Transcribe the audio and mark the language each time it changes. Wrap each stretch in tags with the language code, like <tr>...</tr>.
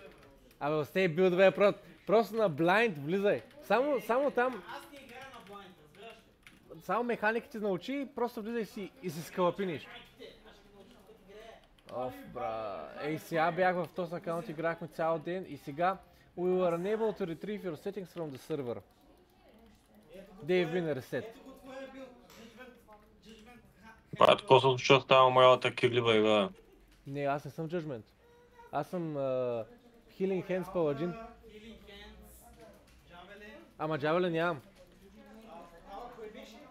<bg>брат. Абе, остей билд бе, брат. Просто на блайнд влизай. Само, само там... Аз не играя на блайнд, разбираш ли? Само механиките научи и просто влизай си и се скалъпиниш. Оф, брат. Ей, сега бях в този акаунт, играхме цял ден и сега...</bg> <en>We were unable to retrieve your settings from the server. They've been reset.</en> <bg>Брат, какво се случва с тази умрялата кирлива игра? Не, аз не съм Judgment. Аз съм Healing Hands Paladin. Healing Hands, Javelin. Ама Javelin нямам. Портал кое беше?</bg>